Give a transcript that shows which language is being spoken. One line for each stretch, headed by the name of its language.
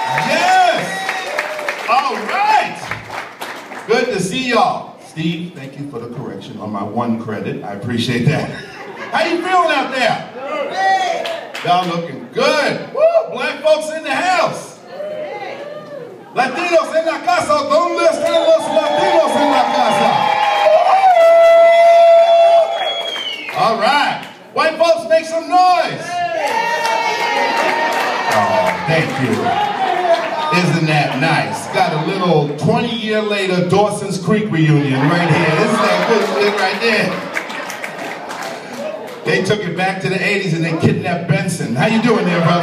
English: Yes. All right. Good to see y'all. Steve, thank you for the correction on my one credit. I appreciate that. How you feeling out there? Good. Y'all looking good. Woo! Black folks in the house.
Spanish: Latinos en la casa. ¿Dónde están los Latinos en la casa?
English: All right. White folks, make some noise. Oh, thank you. Isn't that nice? Got a little 20 year later Dawson's Creek reunion right here. Isn't that good shit right there? They took it back to the 80s and they kidnapped Benson. How you doing there, brother?